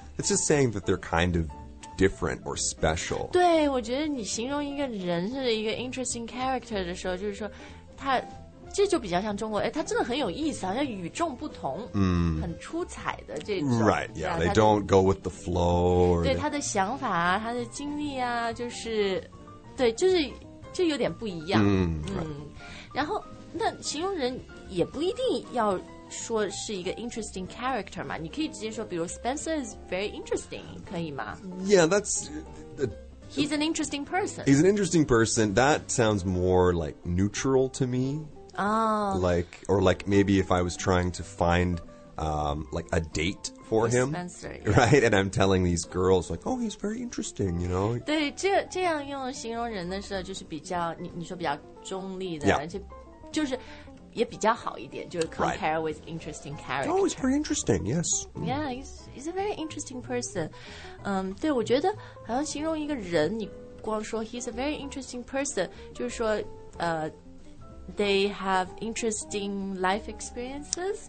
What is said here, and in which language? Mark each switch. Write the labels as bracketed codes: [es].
[en] It's just saying that they're kind of different or special. [zh] 对，我觉得你形容一个人是一个 [en] interesting character [zh] 的时候，就是说他这就比较像中国，哎，他真的很有意思，好像与众不同，嗯、mm. ，很出彩的这种。 [en] Right, yeah, they don't go with the flow. [zh] 对他的想法啊，他的经历啊，就是，对，就是就有点不一样。 Mm. 嗯，然后那形容人也不一定要说是一个 [en] interesting character [zh] 嘛，你可以直接说，比如 [en] Spencer is very interesting， [zh] 可以吗 [en] ？Yeah, that's. He's an interesting person. He's an interesting person. That sounds more like neutral to me. Oh. Like, or like maybe if I was trying to find、like a date for him. Spencer,、yeah. Right? And I'm telling these girls like, oh, he's very interesting, you know? [zh] 对，这样用形容人的时候就是比较 你说比较中立的、 [en] yeah. [zh] 就是也比较好一点就是 compare、 [en] right. [zh] with interesting character. [en] Oh, he's very interesting, yes.、 Mm. Yeah, he's a very interesting person.、 [zh] 对我觉得好像形容一个人你光说 [en] he's a very interesting person, [zh] 就是说、 [en] they have interesting life experiences.